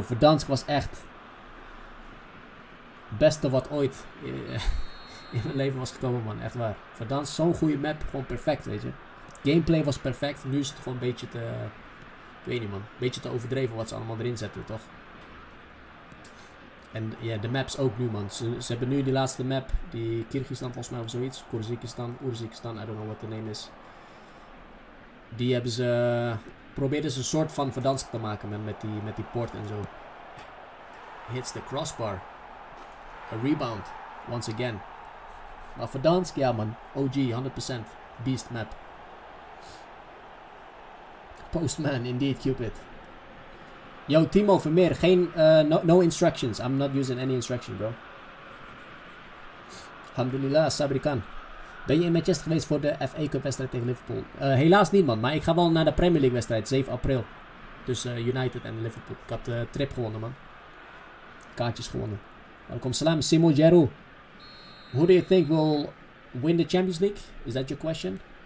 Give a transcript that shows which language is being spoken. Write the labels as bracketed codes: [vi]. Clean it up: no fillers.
[nl] Voor Dansk was echt beste wat ooit in mijn leven was gekomen, man. Echt waar. Voor Dansk, zo'n goede map, gewoon perfect, weet je. Gameplay was perfect, nu is het gewoon een beetje te... Ik weet niet, man. Een beetje te overdreven wat ze allemaal erin zetten, toch? En ja, de maps ook nu, man. Ze hebben nu die laatste map, die Kyrgyzstan volgens mij of zoiets. [en] Kyrgyzstan, Oezbekistan, I don't know what the name is. [nl] Die hebben ze... Probeerden ze een soort van Verdansk te maken, man, met die port en zo. [en] Hits the crossbar. A rebound, once again. [nl] Maar Verdansk, ja, man. [en] OG, 100% beast map. Postman, indeed, Cupid. Yo, Timo Vermeer, geen, no instructions. I'm not using any instruction, bro. [ar] Alhamdulillah, Sabri Khan. [nl] Ben je in Manchester geweest voor de FA Cup wedstrijd tegen Liverpool? Helaas niet, man. Maar ik ga wel naar de Premier League wedstrijd, 7 april. Tussen United en Liverpool. Ik had de trip gewonnen, man. Kaartjes gewonnen. Welkom, salam, Simon Jeru. [en] Who do you think will win the Champions League? Is that your question?